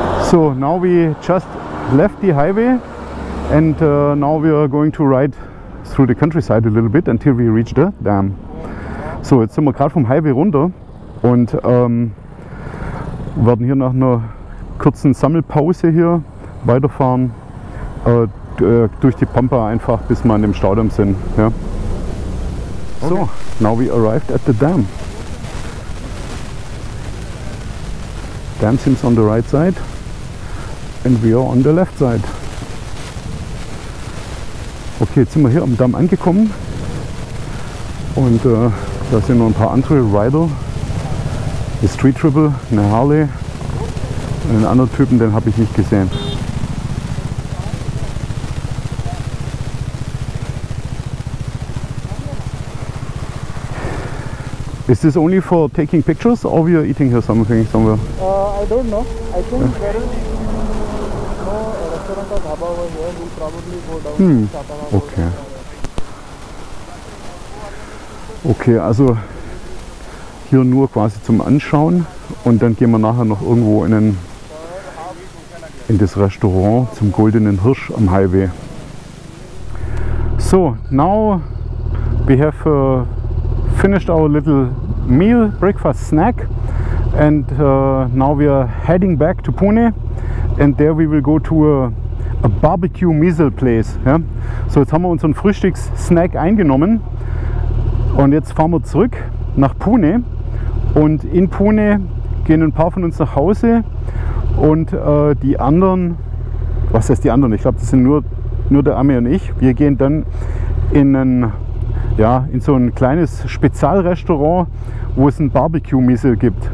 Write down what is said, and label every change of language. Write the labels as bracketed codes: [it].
[en] So now we just left the highway and now we are going to ride through the countryside a little bit until we reach the dam. [de] So jetzt sind wir gerade vom Highway runter und werden hier nach einer kurzen Sammelpause hier weiterfahren durch die Pampa einfach, bis wir an dem Staudamm sind. [en] Ja. Okay. So, now we arrived at the dam. Dam seems on the right side and we are on the left side. [de] Okay, jetzt sind wir hier am Damm angekommen und da sind noch ein paar andere Rider, eine Street Triple, eine Harley und einen anderen Typen, den habe ich nicht gesehen. [en] Is this only for taking pictures or we are eating here something somewhere? I don't know. I think there is no restaurant or dhaba over here. We'll probably go down to Chatara. Okay. [de] Okay, also hier nur quasi zum Anschauen und dann gehen wir nachher noch irgendwo in das Restaurant zum Goldenen Hirsch am Highway. [en] So, now we have finished our little meal, breakfast snack, and now we are heading back to Pune, and there we will go to a barbecue miso place. Yeah? [de] So jetzt haben wir unseren Frühstücks-Snack eingenommen und jetzt fahren wir zurück nach Pune und in Pune gehen ein paar von uns nach Hause und die anderen, was heißt die anderen, ich glaube das sind nur der Ami und ich, wir gehen dann in so ein kleines Spezialrestaurant, wo es ein Barbecue-Miso gibt.